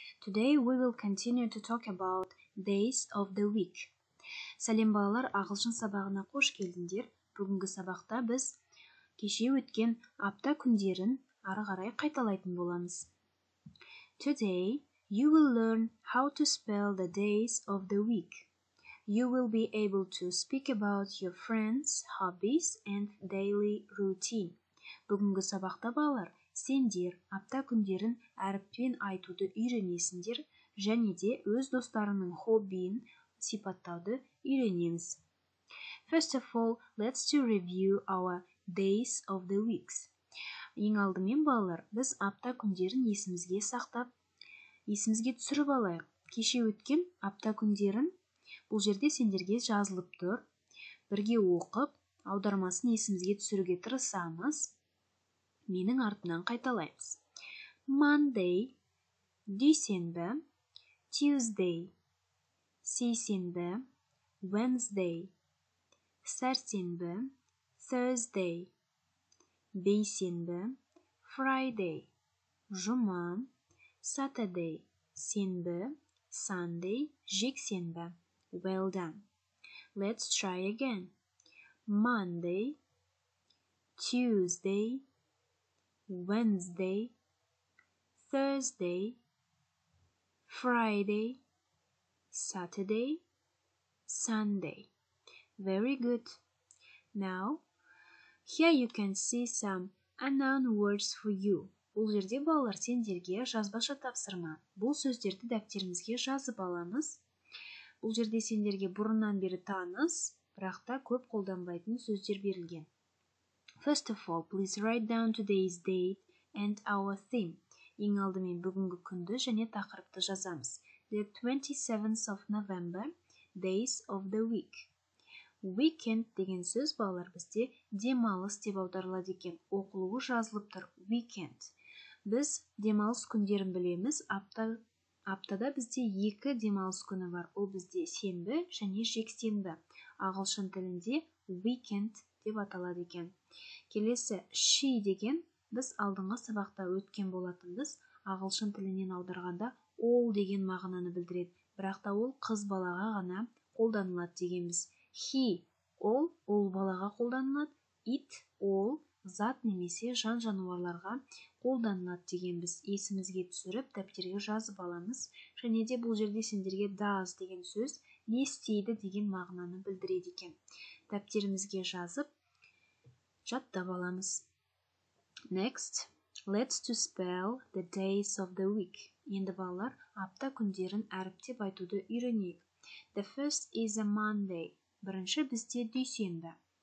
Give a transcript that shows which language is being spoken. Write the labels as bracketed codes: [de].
[en] Today we will continue to talk about days of the week. [kk] Сәлем балалар, ағылшын сабағына қош келдіңдер. Бүгінгі сабақта біз кеше өткен апта күндерін ары қарай қайталайтын боламыз. [en] Today you will learn how to spell the days of the week. You will be able to speak about your friends, hobbies and daily routine. [kk] Бүгінгі сабақта балалар, сендер апта күндерін әріппен айтуды үйренесіңдер және де өз достарының хоббиін сипаттауды үйренеміз. [en] First of all, let's to review our days of the weeks. [kk] Ең алдымен, балалар, біз апта күндерін есімізге сақтап, есімізге түсіріп алайық. Кеше өткен апта күндерін бұл жерде сендерге жазылып тұр. Бірге оқып, аудармасын есімізге түсіруге тырысамыз. Менің артынан қайталаймыз. Monday, дүйсенбі, Tuesday, сейсенбі, Wednesday, сәрсенбі, Thursday, бейсенбі, Friday, жұма, Saturday, сенбі, Sunday, жексенбі. [en] Well done. Let's try again. Monday, Tuesday, Wednesday, Thursday, Friday, Saturday, Sunday. Very good. Now, here you can see some unknown words for you. [kk] Бұл жерде балалар сендерге жазбаша тапсырма. Бұл сөздерді дәптерімізге жазып аламыз. Бұл жерде сендерге бұрыннан бері таныс, бірақ та көп қолданбайтын сөздер берілген. [en] First of all, please write down today's date and our theme. [kk] Ең алдымен бүгінгі күнді және тақырыпты жазамыз. [en] The 27th of November, days of the week. [kk] Weekend деген сөз балалар бізде демалыс деп аударылады екен. Оқылуы жазылып тұр. Weekend. Біз демалыс күндерін білеміз. Аптада бізде екі демалыс күні бар. Ол бізде сенбі және жексенбі. Ағылшын тілінде weekend деп аталады екен. Келесі she деген біз алдыңғы сабақта өткен болатынбыз. Ағылшын тілінен аударғанда all деген мағынаны білдіреді. Бірақ та ол қыз балаға ғана қолданылады дегенбіз. He ол балаға қолданылады. It ол зат немесе жан жануарларға қолданылады дегенбіз. Есімізге түсіріп дәптерге жазып аламыз. Және де бұл жерде сендерге does деген сөз не істейді деген мағынаны білдіреді екен. Дәптерімізге жазып жаттап аламыз. [en] Next, let's to spell the days of the week. [kk] Енді балалар, апта күндерін әріптеп айтуды үйренейік. [en] The first is a Monday. [kk] Бірінші бізде дүйсенбі.